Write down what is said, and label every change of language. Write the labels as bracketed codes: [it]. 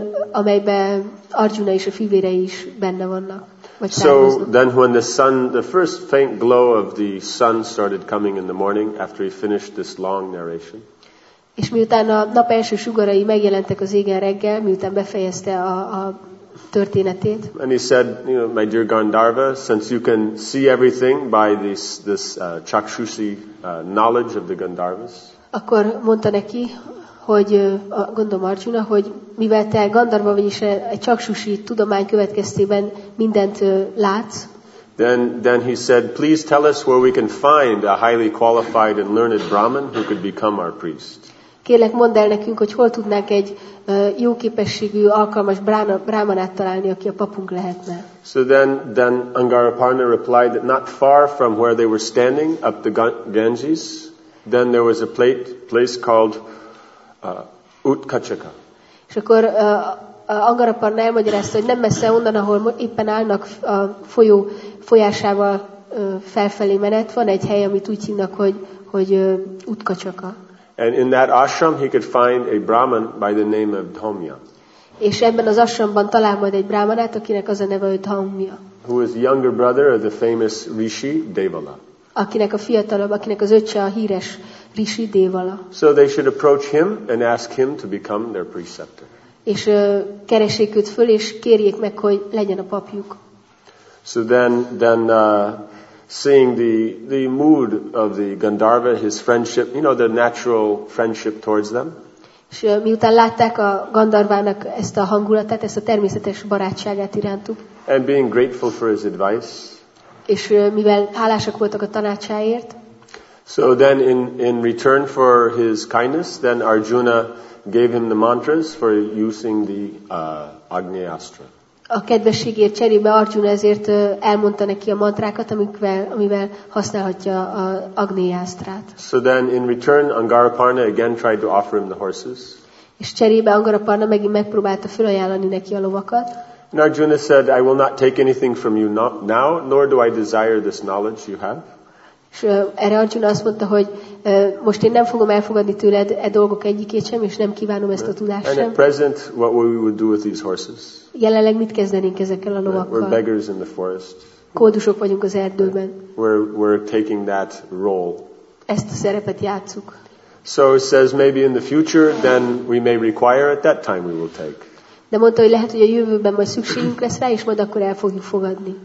[hu] Amelybe Arjuna és a fivérei is benne vannak. [en] So then when the first faint glow of the sun started coming in the morning after he finished this long narration. [hu] És miután a nap első sugarai megjelentek az égen reggel, miután befejezte a történetét. [en] And he said, you know, my dear Gandharva, since you can see everything by this chakshusi knowledge of the Gandharvas. [hu] Akkor mondta neki, hogy gondolom Arjuna, hogy mivel te Gandharva vagyis egy csakshusi tudomány következtében mindent látsz. [en] Then he said, please tell us where we can find a highly qualified and learned Brahmin who could become our priest. [hu] Kérlek, mondd el nekünk, hogy hol tudnánk egy jó képességű, alkalmas brahmanát találni, aki a papunk lehetne. [en] So then Angaraparna replied that not far from where they were standing up the Ganges, then there was a place called Utkacsaka. [hu] És akkor Angaraparna elmagyarázta, hogy nem messze onnan, ahol éppen állnak a folyó folyásával felfelé menet, van egy hely, amit úgy hívnak, hogy Utkacsaka. [en] And in that ashram he could find a Brahman by the name of Dhamya. [hu] És ebben az ashramban talál majd egy brahmanát, akinek az a neve Dhamya. [en] Who is younger brother of the famous Rishi Devala. [hu] Akinek a fiatalabb, akinek az öccse a híres Rishi Devala. [en] So they should approach him and ask him to become their preceptor. [hu] És keressék őt föl, és kérjék meg, hogy legyen a papjuk. [en] So then seeing the mood of the Gandharva, his friendship, you know, the natural friendship towards them. [hu] És miután látták a Gandharvának ezt a hangulatát, ezt a természetes barátságát irántuk. [en] And being grateful for his advice. [hu] És mivel hálásak voltak a tanácsáért. [en] So then in return for his kindness, then Arjuna gave him the mantras for using the Agnyastra. [hu] A kedvességért cserébe Arjuna ezért elmondta neki a mantrákat, amivel használhatja a Agnyastrát. [en] So then in return Angaraparna again tried to offer him the horses. [hu] És cserébe Angaraparna megint megpróbálta felajánlani neki a lovakat. [en] And Arjuna said, I will not take anything from you now, nor do I desire this knowledge you have. [hu] És erre Arjuna azt mondta, hogy most én nem fogom elfogadni tőled e dolgok egyikét sem, és nem kívánom ezt a tudást sem. [en] And at present, what we would do with these horses? [hu] Jelenleg mit kezdenénk ezekkel a lovakkal? [en] We're beggars in the forest. [hu] Kódusok vagyunk az erdőben. [en] We're taking that role. [hu] Ezt a szerepet játsszuk. [en] So it says, maybe in the future, then we may require at that time we will take. [hu] De mondta, hogy lehet, hogy a jövőben majd szükségünk lesz rá, és majd akkor el fogjuk fogadni.